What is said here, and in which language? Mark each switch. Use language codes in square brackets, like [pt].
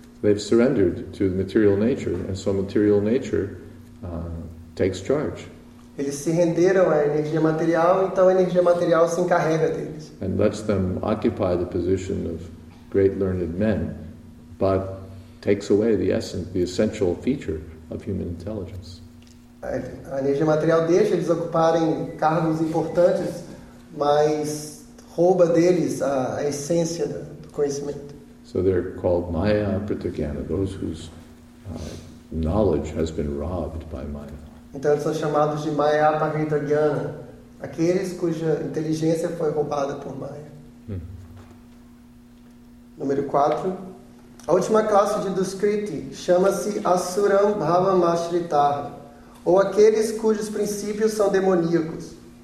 [en] They've surrendered to the material nature, and so material nature takes charge. [pt] Eles se renderam à energia material, então a energia material se encarrega deles. [en] And lets them occupy the position of great learned men, but takes away the essence, the essential feature of human intelligence. [pt] A energia material deixa eles ocuparem cargos importantes, mas rouba deles a essência do conhecimento. [en] So they're called Maya Pratigyana, those whose knowledge has been robbed by Maya. [pt] Então eles são chamados de Maya Pahitagyana, aqueles cuja inteligência foi roubada por Maya. Número 4. A última classe de Duskriti chama-se Asuram Bhava Mashritaha, ou aqueles cujos princípios são demoníacos.